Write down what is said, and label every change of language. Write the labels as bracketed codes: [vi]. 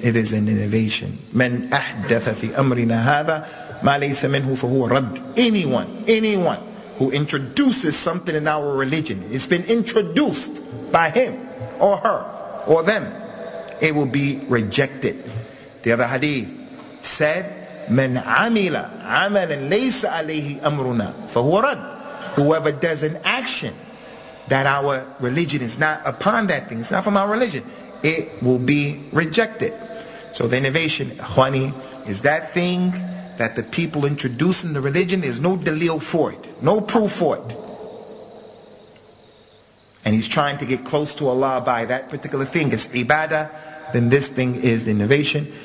[en] It is an innovation. [ar] Man ahdatha fi amrina hadha ma laysa minhu fa huwa radd. [en] Anyone who introduces something in our religion, it's been introduced by him or her or them, it will be rejected. The other hadith said, [ar] من عمل عملا ليس عليه أمرنا فهو رد. [en] Whoever does an action that our religion is not upon, that thing, it's not from our religion, it will be rejected. So the innovation, Khwani, is that thing that the people introduce in the religion, there's no dalil for it, no proof for it, and he's trying to get close to Allah by that particular thing, it's ibadah, then this thing is the innovation.